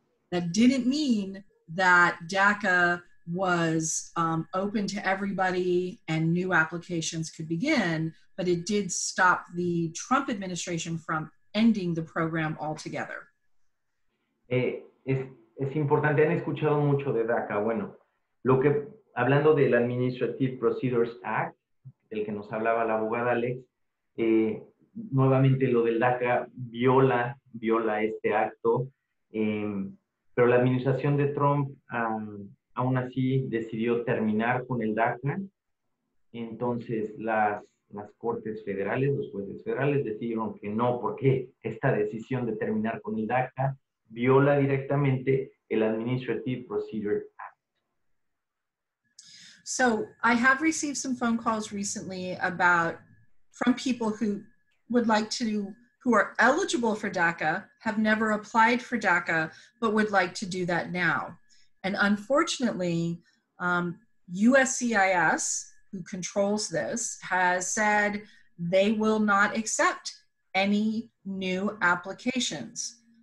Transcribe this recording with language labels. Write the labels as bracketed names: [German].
[English] That didn't mean that DACA was open to everybody and new applications could begin, but it did stop the Trump administration from ending the program altogether. [Spanish] Es importante, han escuchado mucho de DACA. Bueno, lo que, hablando del Administrative Procedures Act, el que nos hablaba la abogada Alex, nuevamente lo del DACA viola este acto, pero la administración de Trump aún así decidió terminar con el DACA. Entonces las cortes federales, los jueces federales decidieron que no, porque esta decisión de terminar con el DACA viola directamente el Administrative Procedure Act. [English] So I have received some phone calls recently about, from people who would like to, who are eligible for DACA, have never applied for DACA, but would like to do that now. And unfortunately, USCIS, who controls this, has said they will not accept any new applications.